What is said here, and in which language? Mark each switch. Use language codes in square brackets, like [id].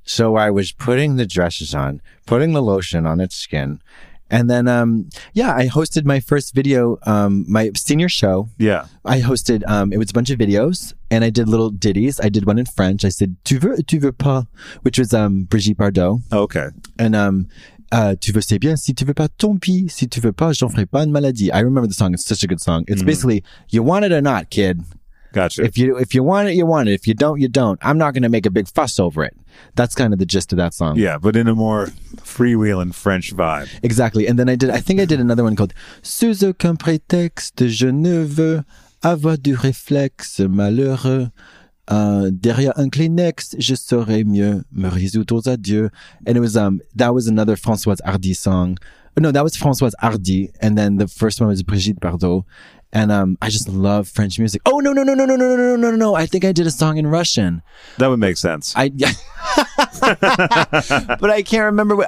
[en] So I was putting the dresses on, putting the lotion on its skin. And then, I hosted my first video, my senior show. Yeah. I hosted, it was a bunch of videos and I did little ditties. I did one in French. I said, [fr] tu veux pas, [en] which was, Brigitte Bardot. Oh, okay. [fr] And, tu veux c'est bien, si tu veux pas, tant pis, si tu veux pas, j'en ferai pas une maladie. [en] I remember the song. It's such a good song. It's basically, you want it or not, kid. Gotcha. If you want it, you want it. If you don't, you don't. I'm not going to make a big fuss over it. That's kind of the gist of that song. Yeah, but in a more freewheeling French vibe. Exactly. And then I think I did another one called [fr] Sous aucun prétexte, je ne veux avoir du réflexe malheureux. Derrière un Kleenex, je saurai mieux me résoudre aux adieux. [en] And it was, that was another Françoise Hardy song. No, that was Françoise Hardy. And then the first one was Brigitte Bardot. And I just love French music. Oh, no. I think I did a song in Russian. That would make sense. But I can't remember.